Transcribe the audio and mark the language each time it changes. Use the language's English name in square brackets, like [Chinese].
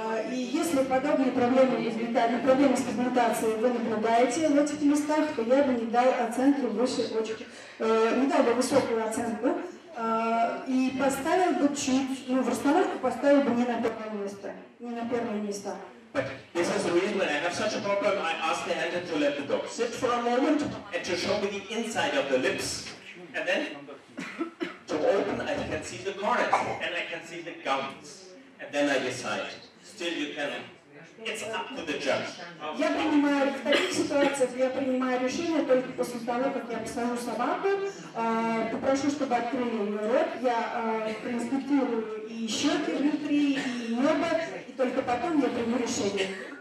[Russian] И если подобные проблемы, проблемы с пигментацией вы наблюдаете в этих местах, то я бы не дал оценку выше очки, не дал бы высокую оценку. И поставил бы чуть, ну, в расстановку поставил бы не на первое место. Не на первое место. [English] But this is the reason when I have such a problem, I ask the handler to let the dog sit for a moment and to show me the inside of the lips. And then to open, I can see the cornice and I can see the gums. And then I decide. Still you can. It's up to the judge. [Russian] Я принимаю, в таких ситуациях я принимаю решение только после того, как я посажу собаку, попрошу, чтобы открыли ее рот, я проинспектирую и щеки, много, и только потом я приму решение.